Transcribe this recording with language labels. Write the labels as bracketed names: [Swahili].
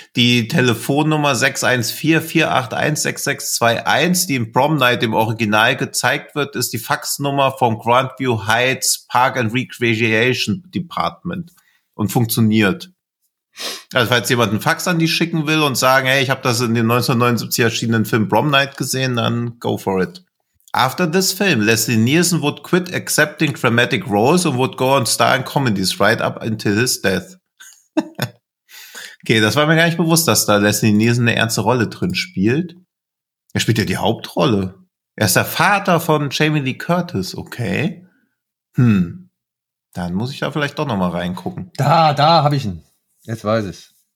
[German] Die Telefonnummer 614-481-6621, die in Prom Night im Original gezeigt wird, ist die Faxnummer vom Grandview Heights Park and Recreation Department und funktioniert. Also falls jemand einen Fax an die schicken will und sagen, hey, ich habe das in dem 1979 erschienenen Film Prom Night gesehen, dann [English] go for it. After this film, Leslie Nielsen would quit accepting dramatic roles and would go on starring comedies right up until his death. [German] Okay, das war mir gar nicht bewusst, dass da Leslie Nielsen eine ernste Rolle drin spielt. Er spielt ja die Hauptrolle. Er ist der Vater von Jamie Lee Curtis, okay. Dann muss ich da vielleicht doch nochmal reingucken. Da habe ich ihn. Jetzt weiß ich's.